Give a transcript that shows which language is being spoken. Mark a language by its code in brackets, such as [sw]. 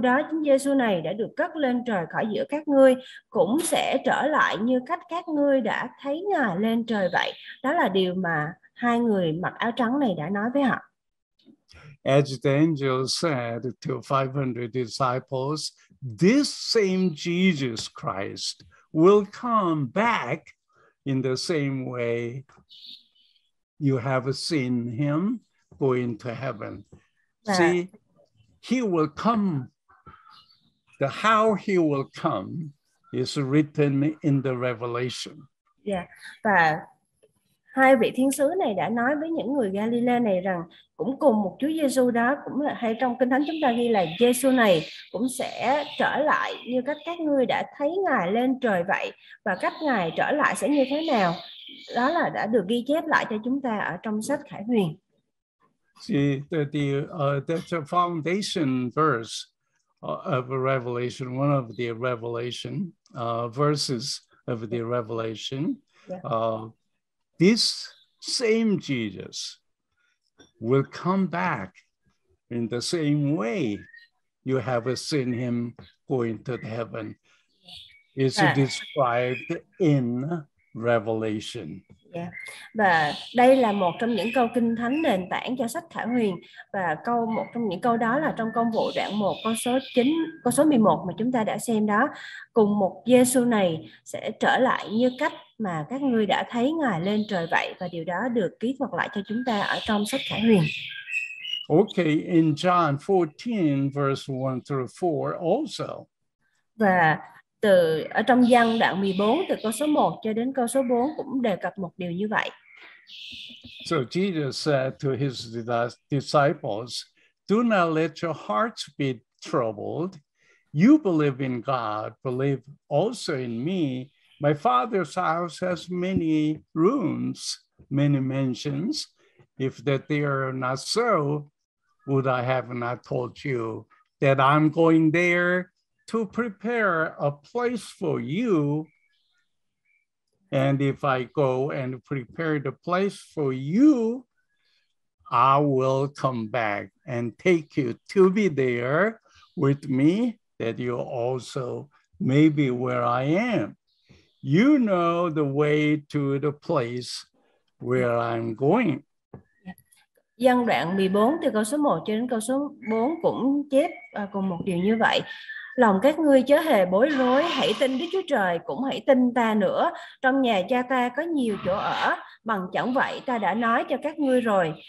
[vi] Chính Giêsu này đã được cất lên trời khỏi giữa các ngươi, cũng sẽ trở lại như cách các ngươi đã thấy Ngài lên trời vậy. Đó là điều mà hai người mặc áo trắng này đã nói với họ. [en] As the angel said to 500 disciples, this same Jesus Christ will come back in the same way you have seen him go into heaven. See, he will come. The how he will come is written in the Revelation. Yeah, but [vi] hai vị thiên sứ này đã nói với những người Galile này rằng cũng cùng một Chúa Giêsu đó, cũng là hay trong Kinh Thánh chúng ta ghi là Giêsu này cũng sẽ trở lại như cách các ngươi đã thấy Ngài lên trời vậy, và cách Ngài trở lại sẽ như thế nào đó là đã được ghi chép lại cho chúng ta ở trong sách Khải Huyền. [en] See, that's a foundation verse of Revelation, one of the Revelation verses of the Revelation. This same Jesus will come back in the same way you have seen him going to heaven. It's described in Revelation. Yeah. [vi] Và đây là một trong những câu kinh thánh nền tảng cho sách Khải Huyền. Và câu một trong những câu đó là trong công vụ đoạn 1, câu số 9, câu số 11 mà chúng ta đã xem đó. Cùng một Giê-xu này sẽ trở lại như cách mà các ngươi đã thấy Ngài lên trời vậy, và điều đó được ký thuật lại cho chúng ta ở trong sách Khải Huyền. [en] Okay, in John 14 verse 1 through 4 also. [vi] Và từ ở trong Giăng đoạn 14 từ câu số 1 cho đến câu số 4 cũng đề cập một điều như vậy. [en] So Jesus said to his disciples, "Do not let your hearts be troubled. You believe in God, believe also in me. My Father's house has many rooms, many mansions. If that they are not so, would I have not told you that I'm going there to prepare a place for you? And if I go and prepare the place for you, I will come back and take you to be there with me, that you also may be where I am. You know the way to the place where I'm going." [vi] Giăng đoạn 14 từ câu số 1 cho đến câu số 4 cũng chép cùng một điều như vậy. Lòng các ngươi chớ hề bối rối, hãy tin Đức Chúa Trời, cũng hãy tin ta nữa. Trong nhà cha ta có nhiều chỗ ở, bằng chẳng vậy ta đã nói cho các ngươi rồi.